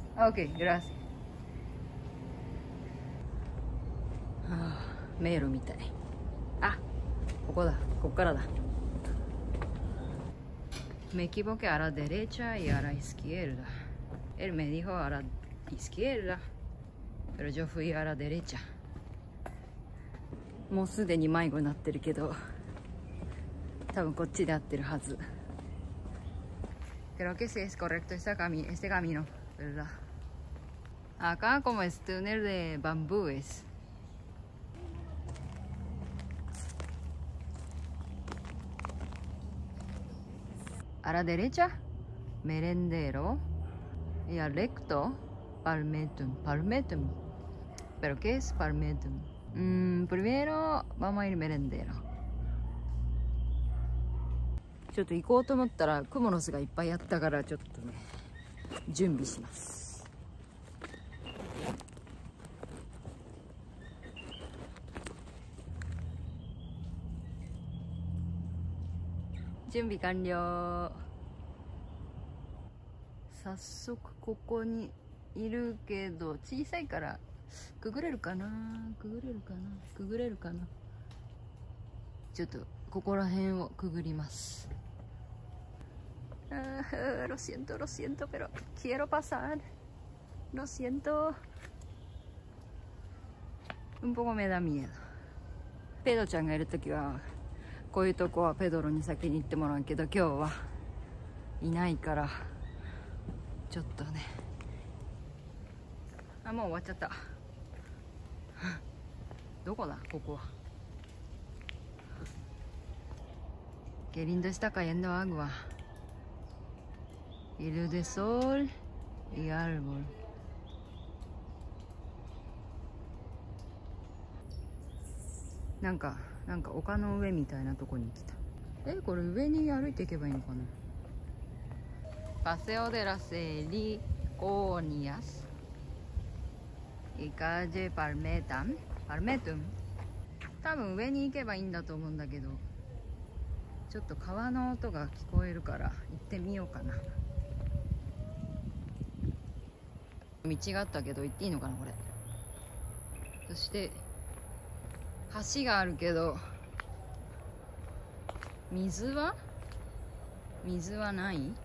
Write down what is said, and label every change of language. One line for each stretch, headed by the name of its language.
Spanish: Ok, gracias. Ah,
Japanese: mero mitai. Ah, ¿ここ da? ¿ここ da?
Spanish: Me equivoqué a la derecha y a la izquierda. Él me dijo a la izquierda, pero yo fui a la derecha.
Japanese: もうすでに迷子になってるけど、多分こっちで合ってるはず。
Spanish: Creo que sí es correcto este camino, ¿verdad? Acá como es túnel de bambúes. A la derecha, merendero. Y al recto, palmetum. Palmetum. ¿Pero qué es palmetum? primero vamos a ir merendero.
Japanese: ちょっと行こうと思ったらクモの巣がいっぱいあったからちょっとね準備します。準備完了。早速ここにいるけど小さいから。ググれるかな、ググれるかな、ググれるかな。ちょっとここら辺をくぐります。
Spanish: Lo siento, lo siento, pero quiero pasar. Lo siento. Un poco me da miedo.
Japanese: ペドちゃんがいるときはこういうとこはペドロに先に行ってもらうけど、今日はいないからちょっとね。あ、もう終わっちゃった。どこだ、ここは。
Spanish: Qué lindo está cayendo agua. Y luz de sol y árbol.
Japanese: なんか丘の上みたいなとこに来た。え、これ上に歩いていけばいいのかな。
Spanish: Paseo de las Heliconias. Calle Palmetum. Palmetum.
Japanese: 多分上に行けばいいんだと思うんだけど、ちょっと川の音が聞こえるから行ってみようかな。道があったけど行っていいのかな、これ。そして橋があるけど水はない。